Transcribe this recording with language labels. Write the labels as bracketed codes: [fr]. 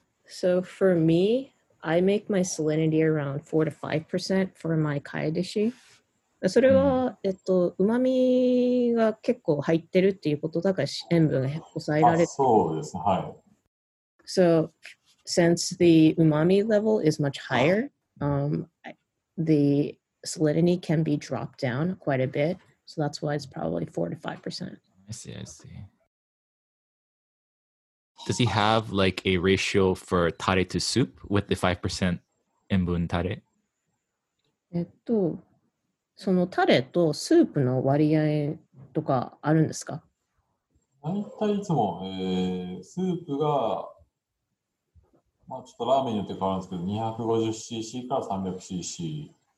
[en] So for me, I make my salinity around 4-5% for my kai dishi. [ja] それは、うまみが結構入ってるっていうことだから塩分が抑えられてる。あ、そうですね、はい。 [en] So since the umami level is much higher, the salinity can be dropped down quite a bit. So that's why it's probably 4-5%. I see. Does he have like a ratio for tare to soup with the 5% 塩分tare? [ja] そのタレとスープの割合とかあるんですか？大体いつも、スープが、ちょっとラーメンによって変わるんですけど、250cc から 300cc。